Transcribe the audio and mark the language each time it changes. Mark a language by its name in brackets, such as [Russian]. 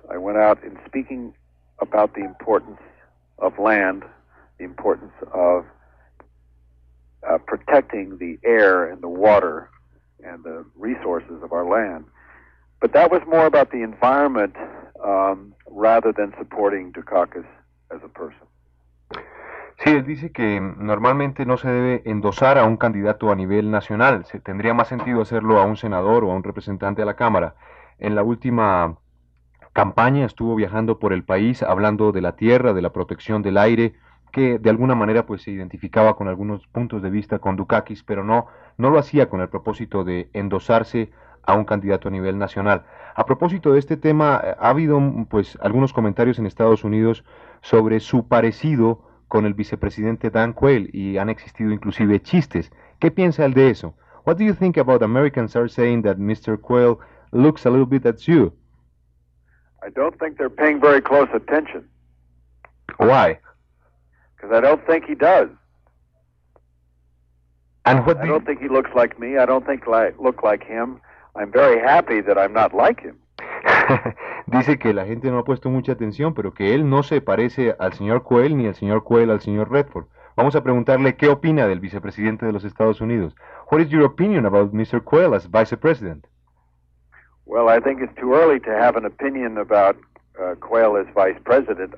[English] I went out in speaking about the importance of land, the importance of protecting the air and the water and the resources of our land. But that was more about the environment rather than supporting Dukakis as a person. [Spanish] Sí, él dice que normalmente no se debe endosar a un candidato a nivel nacional. Se tendría más sentido hacerlo a un senador o a un representante a la Cámara. En la última campaña estuvo viajando por el país hablando de la tierra, de la protección del aire, que de alguna manera pues se identificaba con algunos puntos de vista con Dukakis, pero no lo hacía con el propósito de endosarse a un candidato a nivel nacional. A propósito de este tema, ha habido pues algunos comentarios en Estados Unidos sobre su parecido con el vicepresidente Dan Quayle y han existido inclusive chistes. ¿Qué piensa él de eso? [English] What do you think about Americans are saying that Mr. Quayle looks a little bit at you? I don't think they're paying very close attention. Why? Because I don't think he does. And what? I don't think he looks like me. I don't think look like him. I'm very happy that I'm not like him. [Spanish] Dice que la gente no ha puesto mucha atención, pero que él no se parece al señor Quayle ni el señor Quayle al señor Redford. Vamos a preguntarle qué opina del vicepresidente de los Estados Unidos. [English] What is your opinion about Mr. Quayle as vice president? Well, I think it's too early to have an opinion about Quayle as vice president.